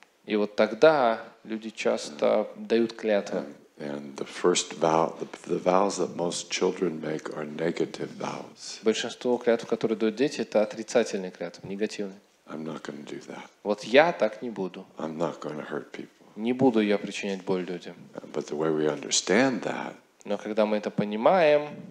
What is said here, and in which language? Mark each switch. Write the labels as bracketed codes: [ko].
[ru] И вот тогда люди часто дают клятвы. [en] And the first vow, the vows that most children make are negative vows. [ru] Большинство клятв, которые дают дети, это отрицательные клятвы, негативные. [en] I'm not going to do that. [ru] Вот я так не буду. [en] I'm not going to hurt people. [ru] Не буду я причинять боль людям. [en] But the way we understand that. [ru] Но когда мы это понимаем.